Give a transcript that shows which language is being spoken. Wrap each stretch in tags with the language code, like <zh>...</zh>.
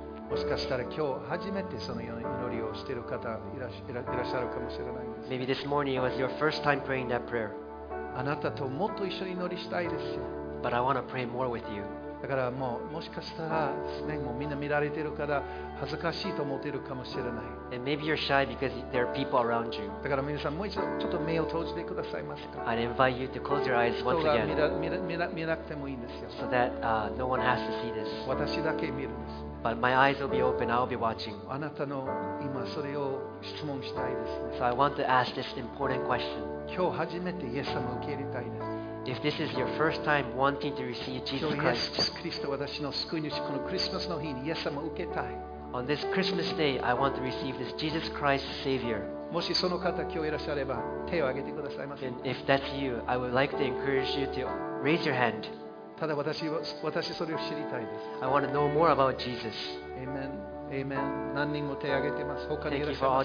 <ja>もしかしたら今日初めてその祈りをしている方いらっしゃるかもしれないです。</ja> <en>Maybe this morning was your first time praying that prayer.</en> <ja>あなたともっと一緒に祈りしたいですよ。</ja> <en>But I want to pray more with you.</en> <ja>だからもうもしかしたらですね、もうみんな見られてる方恥ずかしいと思っているかもしれない。</ja> <en>And maybe you're shy because there are people around you.</en> <ja>だから皆さんもう一度ちょっと目を閉じてくださいますか。</ja> <en>I'd invite you to close your eyes once again.</en> <ja>見なくてもいいんですよ。</ja> <en>So that no one has to see this.</en> <ja>私だけ見るんです。</ja> <en>But my eyes will be open. I'll be watching.</en> <ja>あなたの今それを質問したいですね。</ja> <en>So I want to ask this important question.</en> <ja>今日初めてイエス様を受け入れたいです。</ja> <en>If this is your first time wanting to receive Jesus Christ,</en> <ja>私の救い主このクリスマスの日にイエス様を受けたい。</ja> <en>On this Christmas day, I want to receive this Jesus Christ Savior.</en> <ja>もしその方今日いらっしゃれば手を挙げてくださいませ。</ja> <en>And if that's you, I would like to encourage you to raise your hand.</en> <ja>ただ私それを知りたいです。</ja> <en>I want to know more about Jesus. Amen. Amen.</en> <ja>何人も手を挙げてます。他にいらっしゃいませんか?</ja>